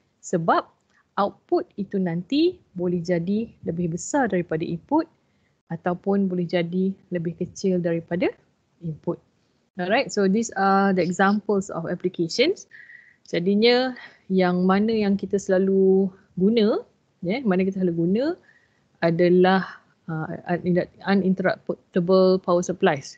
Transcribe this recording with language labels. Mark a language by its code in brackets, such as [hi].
[ms] Sebab output itu nanti boleh jadi lebih besar daripada input ataupun boleh jadi lebih kecil daripada input. [en] Alright, so these are the examples of applications. [ms] Jadinya yang mana yang kita selalu guna, yeah, mana kita selalu guna adalah uninterruptible power supplies.